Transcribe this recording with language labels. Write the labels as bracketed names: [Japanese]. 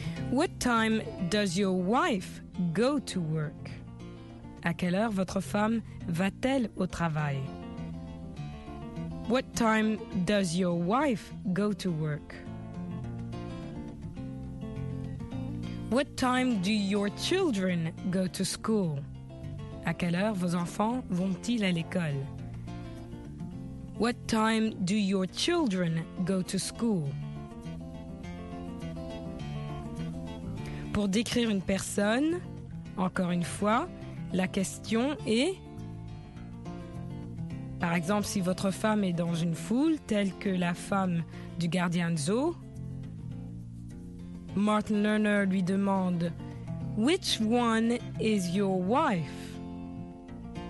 [English] What time does your wife go to work? [French] À quelle heure votre femme va-t-elle au travail? [English] What time does your wife go to work? What time do your children go to school? [French] À quelle heure vos enfants vont-ils à l'école? [English] What time do your children go to school? [French] Pour décrire une personne, encore une fois, la question est... Par exemple, si votre femme est dans une foule, telle que la femme du gardien de zoo, Martin Lerner lui demande « [English] Which one is your wife ?»